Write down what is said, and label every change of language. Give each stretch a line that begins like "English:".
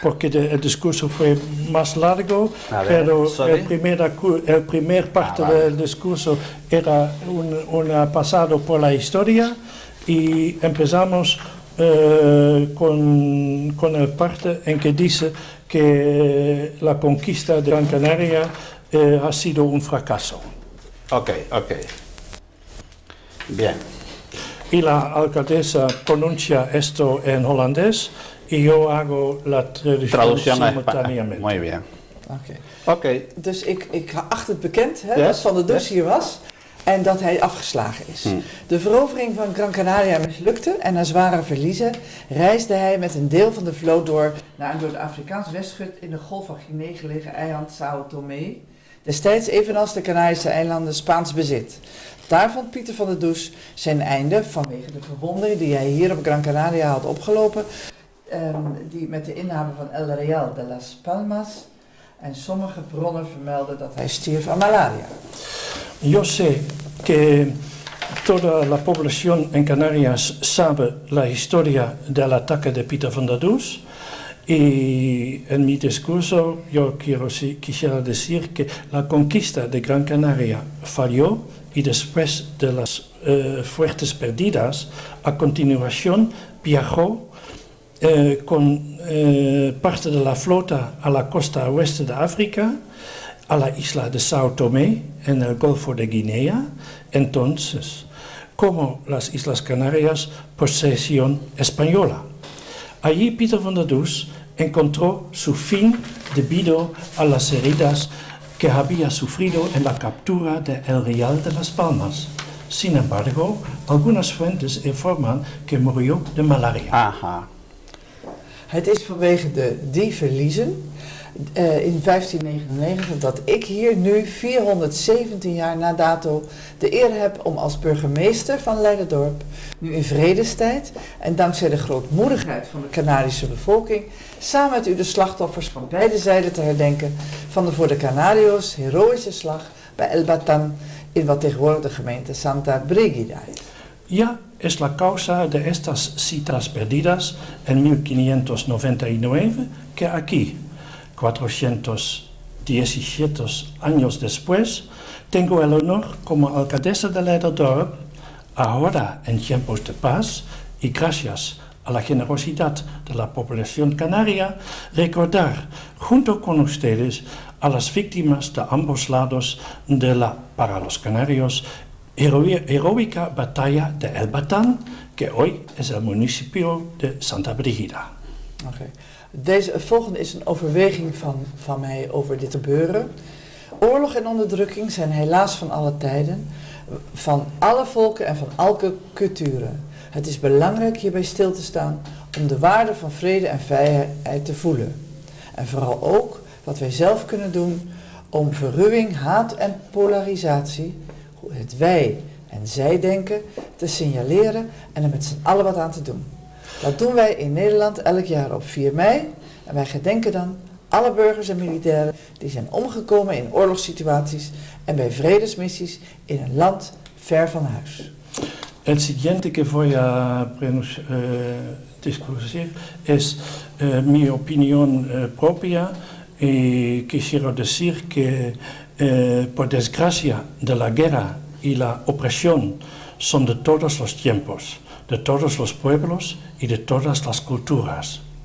Spanish: Porque el discurso fue más largo, pero el primer parte del discurso era un pasado por la historia y empezamos con el parte en que dice que la conquista de Gran Canaria ha sido un fracaso. Ok, ok. Bien. Y la alcaldesa pronuncia esto en holandés y yo hago la traducción simultáneamente. Muy bien. Ok. Okay.
Dutch: Dus ik acht het bekend hè, yes. dat Van der Does yes. hier was en dat hij afgeslagen is. Hmm. De verovering van Gran Canaria mislukte en na zware verliezen reisde hij met een deel van de vloot door naar een door de Afrikaanse westkust in de Golf van Guinea gelegen eiland São Tomé. Destijds evenals de Canarische eilanden Spaans bezit. Daar vond Pieter van der Does zijn einde vanwege de verwondering die hij hier op Gran Canaria had opgelopen. Die met de inname van El Real de las Palmas. En sommige bronnen vermelden dat hij stierf aan malaria.
Spanish: Yo sé que toda la población en Canarias sabe la historia del ataque de Pieter van der Does. Y en mi discurso yo quisiera decir que la conquista de Gran Canaria falló y después de las fuertes perdidas, a continuación viajó con parte de la flota a la costa oeste de África, a la isla de São Tomé, en el Golfo de Guinea. Entonces, como las Islas Canarias, posesión española. Allí Pieter van der Does encontró su fin debido a las heridas que había sufrido en la captura de El Real de las Palmas. Sin embargo, algunas fuentes informan que murió de malaria. Ajá.
Dutch: Het is vanwege die verliezen in 1599 dat ik hier nu 417 jaar na dato de eer heb om als burgemeester van Leiderdorp, nu in vredestijd en dankzij de grootmoedigheid van de Canarische bevolking, samen met u de slachtoffers van beide zijden te herdenken van de voor de Canario's heroïsche slag bij El Batán in wat tegenwoordig de gemeente Santa Brígida is.
Spanish: Ja, es la causa de estas citas perdidas en 1599 que aquí, 417 años después, tengo el honor como alcaldesa de Leiderdorp, ahora en tiempos de paz y gracias a la generosidad de la población canaria, recordar junto con ustedes a las víctimas de ambos lados de la, para los canarios, heroica batalla de El Batán, que hoy es el municipio de Santa Brígida. Okay.
Dutch: Deze volgende is een overweging van mij over dit gebeuren. Oorlog en onderdrukking zijn helaas van alle tijden, van alle volken en van elke culturen. Het is belangrijk hierbij stil te staan om de waarde van vrede en vrijheid te voelen. En vooral ook wat wij zelf kunnen doen om verruwing, haat en polarisatie, het wij en zij denken, te signaleren en er met z'n allen wat aan te doen. Dat doen wij in Nederland elk jaar op 4 mei en wij gedenken dan alle burgers en militairen die zijn omgekomen in oorlogssituaties en bij vredesmissies in een land ver van huis.
Spanish: El siguiente que voy a discutir es mi opinión propia y quisiera decir que por desgracia de la guerra y la opresión son de todos los tiempos, de todos los pueblos y de todas las culturas.